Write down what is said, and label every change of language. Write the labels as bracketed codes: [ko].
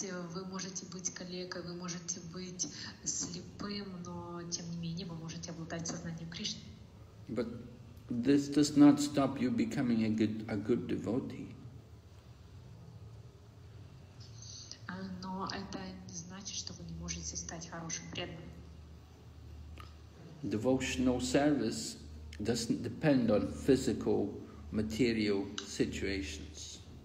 [ru] Вы можете быть калекой, вы можете быть слепым, но тем не менее вы можете обладать сознанием Кришны. [en] But this does not stop you becoming a good devotee. [ru] Но это не значит, что вы не можете стать хорошим преданным. [en] Devotional service doesn't depend on physical, material situations.